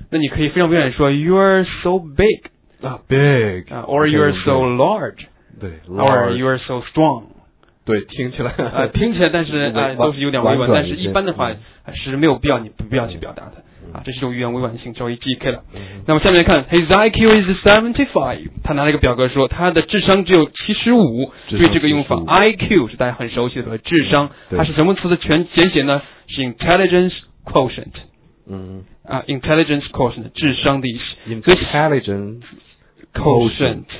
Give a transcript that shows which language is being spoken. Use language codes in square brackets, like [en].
[zh] 那你可以非常委婉说 [en] You are so big， big， or You are so large， [zh] 对， [en] or You are so strong。 [zh] 对，听起来但是都是有点委婉，但是一般的话是没有必要，你不必要去表达的这是种语言委婉性，稍微 GK 了。那么下面看 [en] ，His IQ is 75。 [zh] 他拿了一个表格说，他的智商只有75。对这个用法 ，IQ 是大家很熟悉的智商，它是什么词的简写呢？是 intelligence quotient。intelligence quotient 智商的意思。 [en] intelligence quotient。